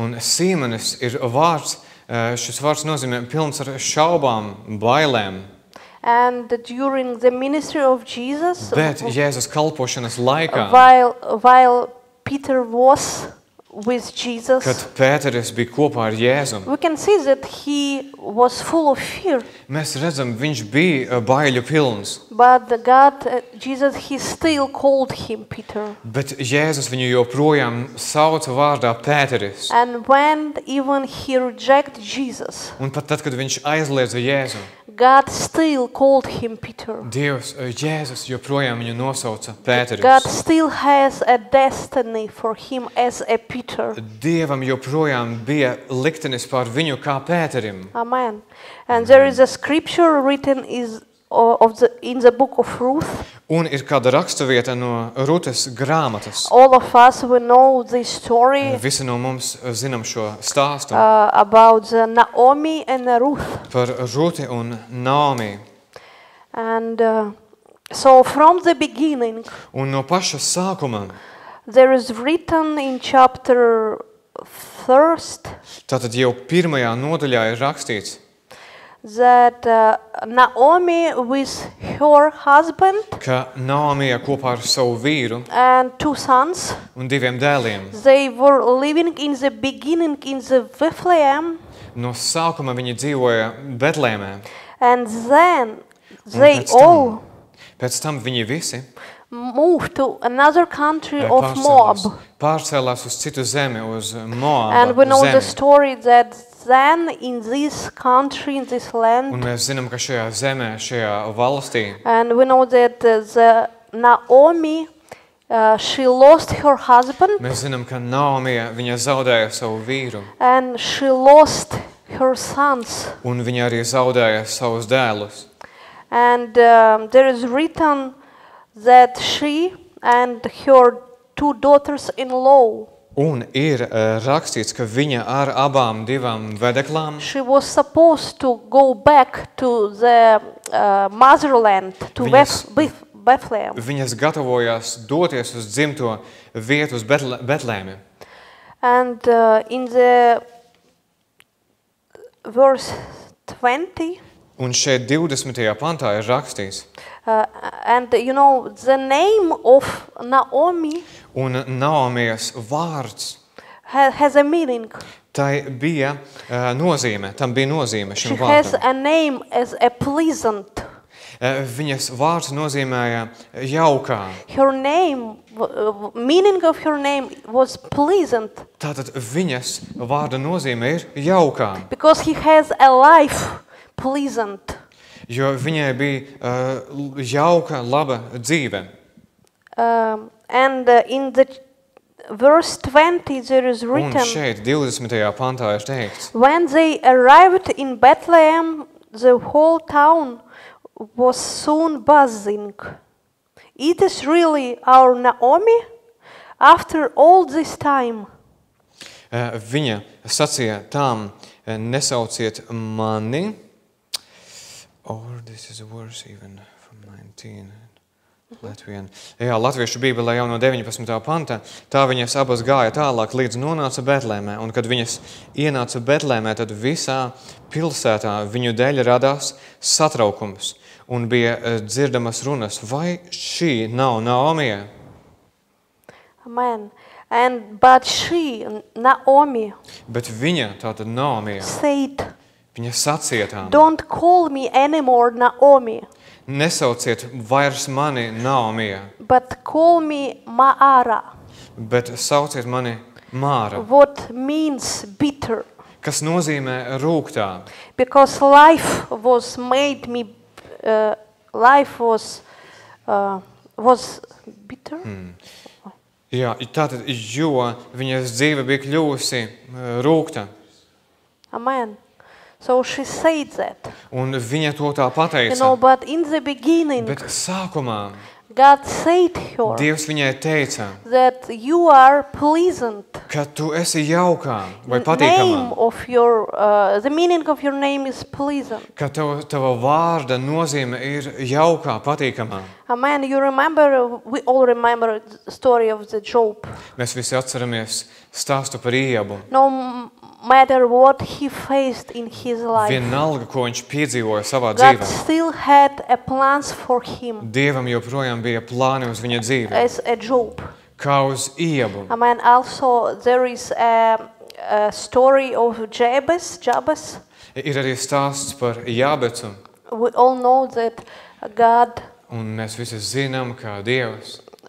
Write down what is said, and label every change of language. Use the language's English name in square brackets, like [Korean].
[Latvian] Un Sīmanis ir vārds, šis vārds nozīmē pilns ar šaubām, bailēm. [English] And during the ministry of Jesus, [Latvian] bet Jēzus kalpošanas laikā, [English] while Peter was with Jesus, [Latvian] kad Pēteris bija kopā ar Jēzu, [English] we can see that he was full of fear. [Latvian] Mēs redzam, viņš bija baiļu pilns. [English] But God, Jesus, he still called him Peter. [Latvian] Bet Jēzus viņu joprojām sauca vārdā Pēteris. [English] And when even he rejected Jesus, [Latvian] un pat tad, kad viņš aizliedza Jēzu, [English] God still called him Peter. [Latvian] Dievs, Jēzus joprojām viņu nosauca Pēteris. [English] God still has a destiny for him as a Peter. [Latvian] Dievam joprojām bija liktenis par viņu kā Pēterim. [English] Amen. And there is a scripture written is of the in the book of Ruth. [Latvian] Un ir kāda rakstuvieta no Rutes grāmatas. [English] All of us we know this story. [Latvian] Visi no mums zinām šo stāstu. [English] About the Naomi and the Ruth. [Latvian] Par Ruti un Naomi. [English] And so from the beginning. [Latvian] Un no paša sākuma. [English] There is written in chapter first. [Latvian] Tātad jau pirmajā nodaļā ir rakstīts. [English] That Naomi with her husband [Latvian] ka Naomi kopā ar savu vīru [English] and two sons [Latvian] un diviem dēliem [English] they were living in the beginning in the Bethlehem [Latvian] no sākuma viņi dzīvoja Betlēmē [English] and then they all [Latvian] pēc tam viņi visi [English] moved to another country of Moab [Latvian] pārcēlās uz citu zemi uz Moab [English] and we know [Latvian] zemi. [English] The story that Then in this country, in this land. [Latvian] Un mēs zinām, ka šajā zemē, šajā valstī. [English] And we know that the Naomi, She lost her husband. [Latvian] Mēs zinām, ka Naomi, viņa zaudēja savu vīru. [English] And she lost her sons. [Latvian] Un viņa arī zaudēja savus dēlus. [English] And there is written that she and her two daughters-in-law. [Latvian] Un ir rakstīts, ka viņa ar abām divām vedeklām. [English] She was supposed to go back to the motherland to Bethlehem. [Latvian] Viņas gatavojās doties uz dzimto vietu uz Betlēmi. [English] And in the verse 20. [Latvian] Un šeit 20. Pantā ir rakstīts. [English] And you know the name of Naomi. [Latvian] Un Naomijas vārds. [English] Has a meaning. [Latvian] Tai bija nozīme, tam bija nozīme šim [English] She [Latvian] vārdam. [English] Has a name as a pleasant. [Latvian] Viņas vārds nozīmēja jaukā. [English] Her name, meaning of her name was pleasant. [Latvian] Tātad viņas vārda nozīme ir jaukā. [English] Because he has a life pleasant. [Latvian] Jo viņai bija jauka, laba dzīve. [English] And in the verse 20 there is written. [Latvian] Un šeit 20. Pantā ir teikts. [English] When they arrived in Bethlehem, the whole town was soon buzzing. It is really our Naomi after all this time. [Latvian] Viņa sacīja tām, nesauciet mani. [English] Or this is worse even from 19. Latvian. [Latvian] Jā, Latviešu Bībelē jau no 19. Panta, tā viņas abas gāja tālāk līdz nonāca Betlēmē, un kad viņas ienāca Betlēmē, tad visā pilsētā viņu dēļ radās satraukums. Un bija dzirdamas runas, vai šī nav Naomi? [English] Amen. And but she Naomi. [Latvian] Bet viņa, tātad Naomi. [English] Said. [Latvian] Viņa sacīja tām. [English] Don't call me anymore Naomi. [Latvian] Nesauciet vairs mani Naomi. [English] But call me Maara. [Latvian] Bet sauciet mani Māra. [English] What means bitter? [Latvian] Kas nozīmē rūgtā? [English] Because life was made me life was was bitter. Hmm. [Latvian] Jā, tātad, jo viņas dzīve bija kļuvusi rūgta. [English] Amen. So she said that. [Latvian] Un viņa to tā pateica. [English] You know, but in the beginning. [Latvian] Bet sākumā. [English] God said her. [Latvian] Dievs viņai teica. [English] That you are pleasant. [Latvian] Ka tu esi jaukā vai patīkamā. [English] Name of your, the meaning of your name is pleasant. [Latvian] Ka tava vārda nozīme ir jaukā, patīkamā. [English] Amen. You remember, we all remember the story of the Job. [Latvian] Mēs visi atceramies stāstu par Ību. [English] No matter what he faced in his life. [Latvian] Vienalga, ko viņš piedzīvoja savā [English] God [Latvian] dzīvē. [English] Still had a plans for him. [Latvian] Dievam joprojām bija plāni uz viņa dzīvi. [English] As a Job. [Latvian] Kā uz Ību. [English] Amen. Also, there is a story of Jabez, Jabez. [Latvian] Ir arī stāsts par Jābecu. [English] We all know that God. [Latvian] Un mēs visi zinām, kā Dievs.